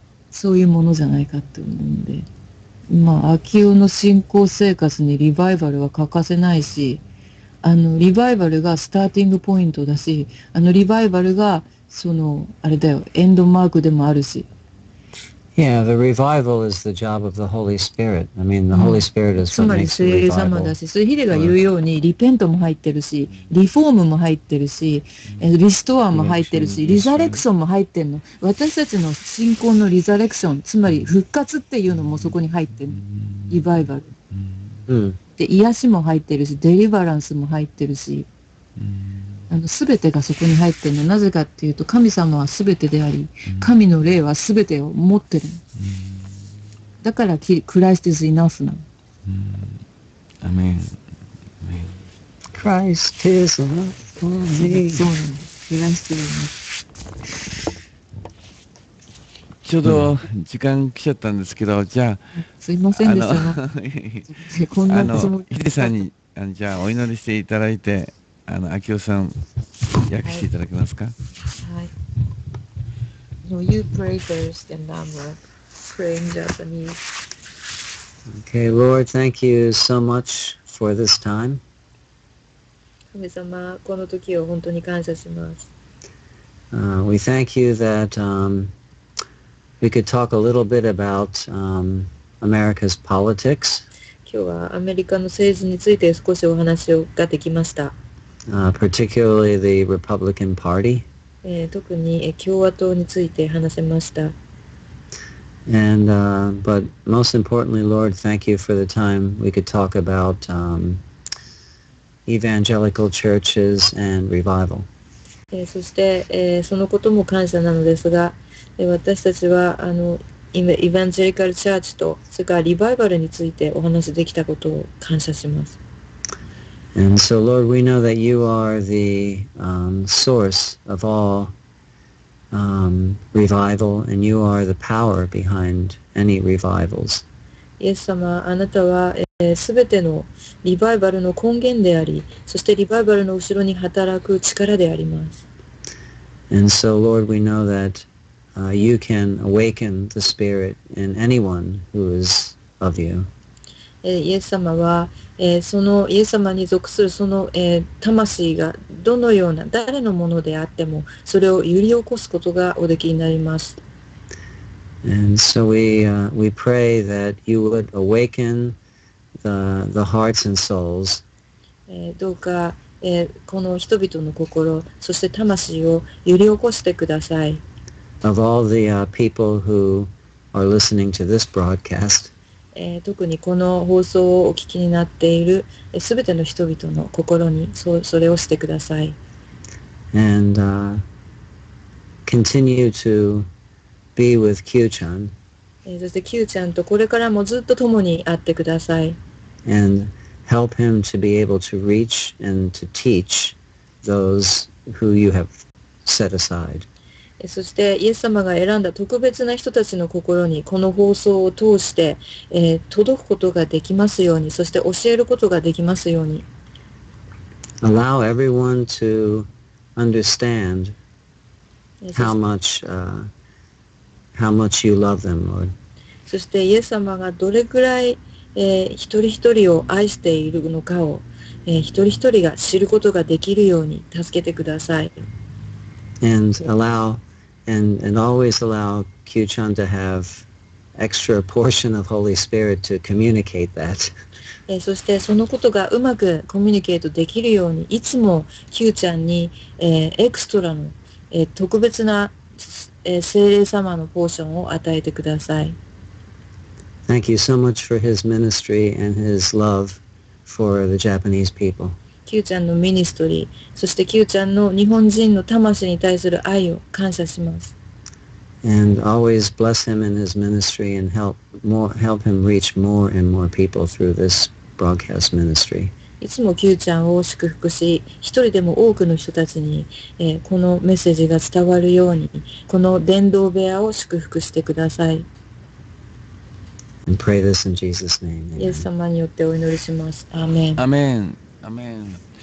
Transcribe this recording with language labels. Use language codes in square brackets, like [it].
[ja] そういうものじゃないかって思うんで、まあ秋代の信仰生活にリバイバルは欠かせないし、リバイバルがスターティングポイントだし、リバイバルがそのあれだよ、エンドマークでもあるし。 [en] Yeah, the revival is the job of the Holy Spirit. I mean, the Holy Spirit is what makes the revival. [ja] つまり聖霊様だし、それヒデが言うようにリペントも入ってるし、リフォームも入ってるし、リストアも入ってるし、リザレクションも入ってるの。私たちの信仰のリザレクション、つまり復活っていうのもそこに入ってるの。リバイバル。で、癒しも入ってるし、デリバランスも入ってるし、すべてがそこに入ってるの。なぜかっていうと、神様はすべてであり、神の霊はすべてを持ってる。だから、 [en] Christ is enough [ja] なの。アメン。 [en] Christ is enough for me. [ja] そうなの。 [en] Christ is enough。 [ja] ちょうど時間来ちゃったんですけど、じゃあ、すいませんでした。こんなつもり。ヒデさんに、じゃあ、お祈りしていただいて、アキオさん、訳していただけますか。はい。はい、 [en] you pray first and I'm praying Japanese. Okay, Lord, thank you so much for this time. [ja] 神様、この時を本当に感謝します。 [en] We thank you that, we could talk a little bit about, America's politics. [ja] 今日はアメリカの政治について少しお話ができました。 [en] Particularly the Republican Party. [ja] 特に共和党について話せました。 [en] And, but most importantly, Lord, thank you for the time we could talk about, evangelical churches and revival. [ja] そして、そのことも感謝なのですが、私たちは、イヴァンジェリカルチャーチと、それからリバイバルについてお話できたことを感謝します。 [en] And so, Lord, we know that you are the, source of all, revival, and you are the power behind any revivals. [ja] イエス様、あなたは、すべてのリバイバルの根源であり、そしてリバイバルの後ろに働く力であります。 [en] And so, Lord, we know that you can awaken the spirit in anyone who is of you. [ja] イエス様は、そのイエス様に属するその、魂がどのような誰のものであっても、それを揺り起こすことがおできになります。 [en] And so we pray that you would awaken the hearts and souls. [ja] どうか、この人々の心、そして魂を揺り起こしてください。 [en] Of all the people who are listening to this broadcast, [ja] 特にこの放送をお聞きになっている、すべての人々の心にそれをしてください。 [en] And continue to be with Q-chan. [ja] そして Q-chan とこれからもずっと共に会ってください。 [en] And help him to be able to reach and to teach those who you have set aside. [ja] そしてイエス様が選んだ特別な人たちの心にこの放送を通して、届くことができますように、そして教えることができますように。 [en] Allow everyone to understand how much you love them, Lord. [ja] そしてイエス様がどれくらい、一人一人を愛しているのかを、一人一人が知ることができるように助けてください。 [en] And allowAnd always allow Q-chan to have extra portion of Holy Spirit to communicate that. [ja] そしてそのことがうまくコミュニケートできるように、いつも Q-chan に、エクストラの、特別な、聖霊様のポーションを与えてください。 [en] Thank you so much for his ministry and his love for the Japanese people. [ja] Q-chan のミニストリー、そして Q-chan の日本人の魂に対する愛を感謝します。 [en] And always bless him in his ministry and help him reach more and more people through this broadcast ministry. [ja] いつも Q-chan を祝福し、一人でも多くの人たちに、このメッセージが伝わるように、この伝道部屋を祝福してください。 [en] And pray this in Jesus' name. [ja] イエス様によってお祈りします。アーメン。アメン。アメン。